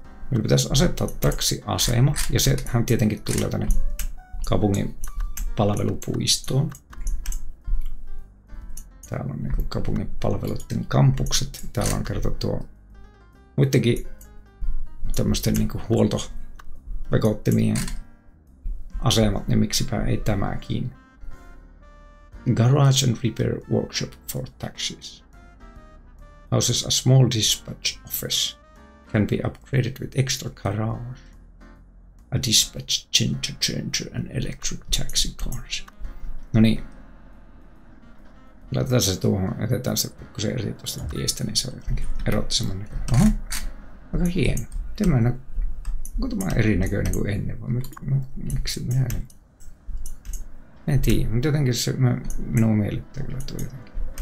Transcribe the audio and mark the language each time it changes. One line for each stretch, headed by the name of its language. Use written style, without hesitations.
Finnish: Meillä pitäisi asettaa taksiasema ja sehän tietenkin tulee tänne kaupungin palvelupuistoon. Täällä on niin kuin kaupungin palveluiden kampukset. Täällä on kerta tuo muidenkin tämmöisten niin kuin huoltovekottimien asemat, niin miksipä ei tämäkin.
English: Garage and repair workshop for taxis. Houses a small dispatch office. Can be upgraded with extra garage. A dispatch changer and electric taxi cars.
Finnish: No niin. Laitetaan se tuohon, jätetään se pikkusen eri tuosta tiestä, niin se on jotenkin erottisemman näköinen. Oho, aika hieno. Tämä on, onko tämä erinäköinen kuin ennen, vai miksi minä en? En tiedä, mutta jotenkin se minua miellyttää kyllä tuo jotenkin.